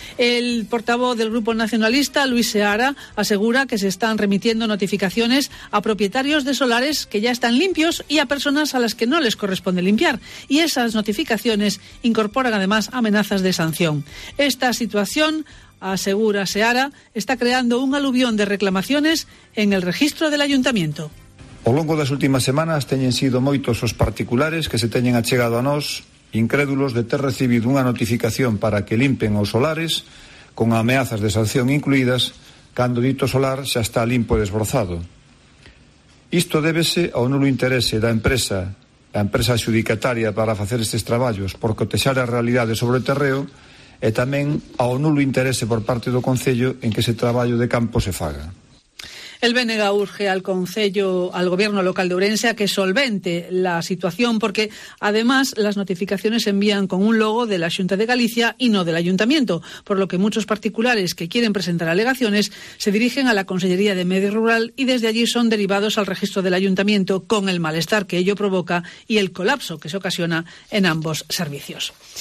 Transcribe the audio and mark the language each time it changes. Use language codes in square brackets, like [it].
[es] El portavoz del Grupo Nacionalista, Luis Seara, asegura que se están remitiendo notificaciones a propietarios de solares que ya están limpios y a personas a las que no les corresponde limpiar. Y esas notificaciones incorporan además amenazas de sanción. Esta situación, asegura Seara, está creando un aluvión de reclamaciones en el registro del Ayuntamiento. [gl] Ao longo das últimas semanas teñen sido moitos os particulares que se teñen achegado a nós, incrédulos de ter recibido unha notificación para que limpen os solares, con ameazas de sanción incluídas, cando dito solar xa está limpo e desbrozado. Isto débese ao nulo interese da empresa, a empresa adxudicataria para facer estes traballos, por cotexar a realidade sobre o terreo, e tamén ao nulo interese por parte do concello en que ese traballo de campo se faga. [es] El Bénega urge al concello, al gobierno local de Ourense, a que solvente la situación, porque además las notificaciones se envían con un logo de la Xunta de Galicia y no del Ayuntamiento, por lo que muchos particulares que quieren presentar alegaciones se dirigen a la Consellería de Medio Rural y desde allí son derivados al registro del Ayuntamiento, con el malestar que ello provoca y el colapso que se ocasiona en ambos servicios.